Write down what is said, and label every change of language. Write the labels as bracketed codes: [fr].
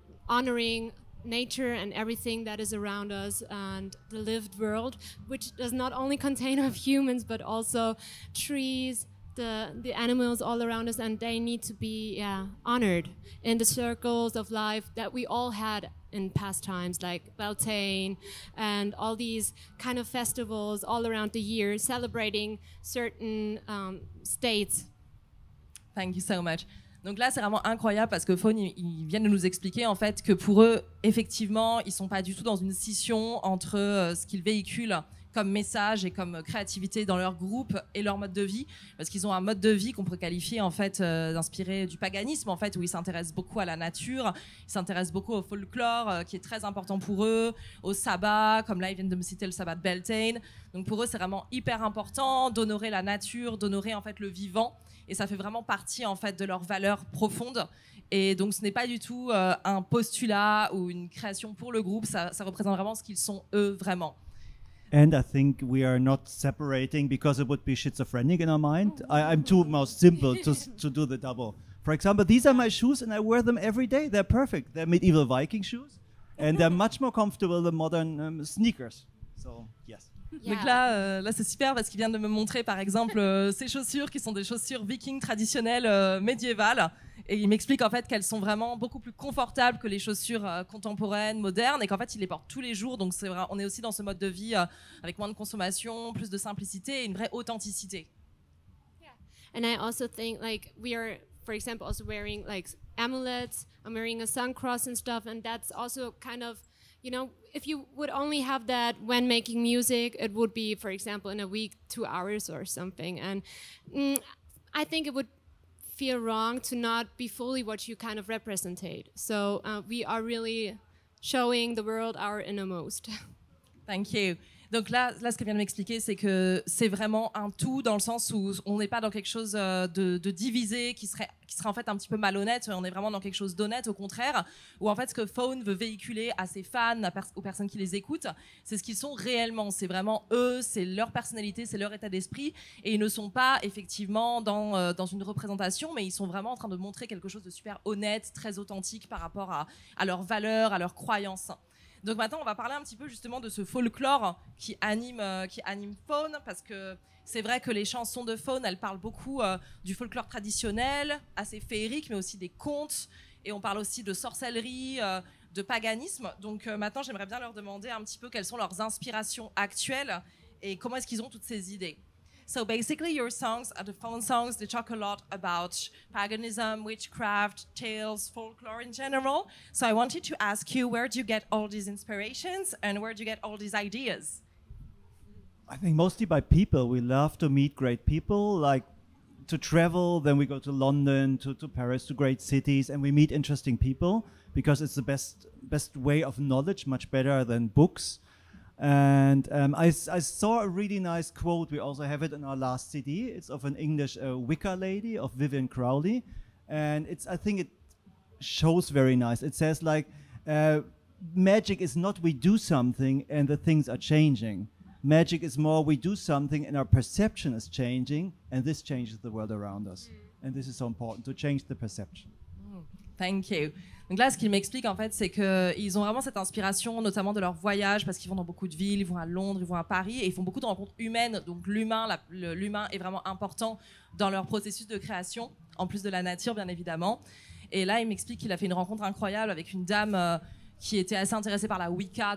[en] honoring nature and everything that is around us and the lived world, which does not only contain of humans, but also trees, the animals all around us, and they need to be honored in the circles of life that we all had in past times, like Beltane and all these kind of festivals all around the year celebrating certain states. Thank you so much. [fr] Donc là, c'est vraiment incroyable parce que Faun, il vient de nous expliquer en fait que pour eux, effectivement, ils ne sont pas du tout dans une scission entre ce qu'ils véhiculent comme message et comme créativité dans leur groupe et leur mode de vie, parce qu'ils ont un mode de vie qu'on pourrait qualifier en fait d'inspiré du paganisme, en fait, où ils s'intéressent beaucoup à la nature, ils s'intéressent beaucoup au folklore qui est très important pour eux, au sabbat, comme là ils viennent de me citer le sabbat de Beltane. Donc pour eux, c'est vraiment hyper important d'honorer la nature, d'honorer en fait le vivant, et ça fait vraiment partie en fait de leurs valeurs profondes. Et donc ce n'est pas du tout un postulat ou une création pour le groupe, ça représente vraiment ce qu'ils sont eux vraiment. [en] And I think we are not separating because it would be schizophrenic in our mind. I'm too most simple to do the double. For example, these are my shoes and I wear them every day. They're perfect. They're medieval Viking shoes and they're much more comfortable than modern sneakers. So, yes. Yeah. [fr] Donc là, là c'est super parce qu'il vient de me montrer par exemple ses chaussures qui sont des chaussures vikings traditionnelles médiévales. Et il m'explique en fait qu'elles sont vraiment beaucoup plus confortables que les chaussures contemporaines, modernes, et qu'en fait il les porte tous les jours. Donc c'est vrai, on est aussi dans ce mode de vie avec moins de consommation, plus de simplicité et une vraie authenticité. [en] Yeah. And I also think like we are, for example, also wearing like amulets. I'm wearing a sun cross and stuff, and that's also kind of, you know, if you would only have that when making music, it would be, for example, in a week, 2 hours or something. And I think it would feel wrong to not be fully what you kind of represent. So we are really showing the world our innermost. Thank you. [fr] Donc là, là, ce qu'elle vient de m'expliquer, c'est que c'est vraiment un tout dans le sens où on n'est pas dans quelque chose de divisé, qui serait en fait un petit peu malhonnête. On est vraiment dans quelque chose d'honnête, au contraire, où en fait ce que Fawn veut véhiculer à ses fans, aux personnes qui les écoutent, c'est ce qu'ils sont réellement. C'est vraiment eux, c'est leur personnalité, c'est leur état d'esprit. Et ils ne sont pas effectivement dans une représentation, mais ils sont vraiment en train de montrer quelque chose de super honnête, très authentique par rapport à leurs valeurs, à leurs croyances. Donc maintenant, on va parler un petit peu justement de ce folklore qui anime Fawn, parce que c'est vrai que les chansons de Fawn, elles parlent beaucoup du folklore traditionnel, assez féerique, mais aussi des contes, et on parle aussi de sorcellerie, de paganisme. Donc maintenant, j'aimerais bien leur demander un petit peu quelles sont leurs inspirations actuelles et comment est-ce qu'ils ont toutes ces idées. [en] So basically, your songs are the fun songs. They talk a lot about paganism, witchcraft, tales, folklore in general. So I wanted to ask you, where do you get all these inspirations and where do you get all these ideas? I think mostly by people. We love to meet great people, like to travel. Then we go to London, to Paris, to great cities, and we meet interesting people because it's the best way of knowledge, much better than books. And I saw a really nice quote. We also have it in our last CD. It's of an English Wicca lady, of Vivian Crowley. And it's, I think it shows very nice. It says like, magic is not we do something and the things are changing. Magic is more we do something and our perception is changing, and this changes the world around us. And this is so important, to change the perception. Thank you. [fr] Donc là, ce qu'ils m'expliquent, en fait, c'est qu'ils ont vraiment cette inspiration, notamment de leur voyage, parce qu'ils vont dans beaucoup de villes, ils vont à Londres, ils vont à Paris, et ils font beaucoup de rencontres humaines. Donc l'humain est vraiment important dans leur processus de création, en plus de la nature, bien évidemment. Et là, ils m'expliquent qu'il a fait une rencontre incroyable avec une dame qui était assez intéressée par la Wicca.